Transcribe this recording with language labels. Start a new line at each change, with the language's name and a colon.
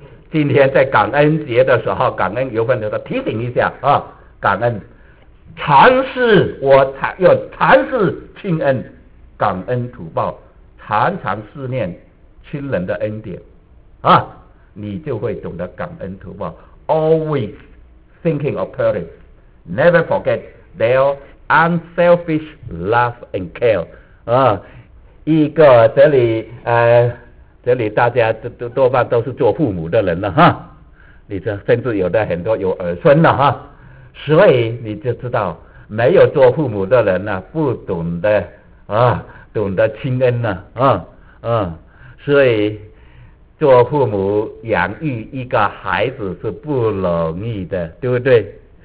Chinese: 今天在感恩节的时候，感恩油饭的时候，提醒一下啊，感恩，常是我常要常是亲恩，感恩图报，常常思念亲人的恩典，啊，你就会懂得感恩图报。
English: Always thinking of parents, never forget their unselfish love and care。
Chinese: 啊，一个这里这里大家多半都是做父母的人了哈，你这甚至有的很多有儿孙了哈，所以你就知道没有做父母的人呢、啊，不懂得啊，懂得亲恩呢 啊，所以做父母养育一个孩子是不容易的，对不对？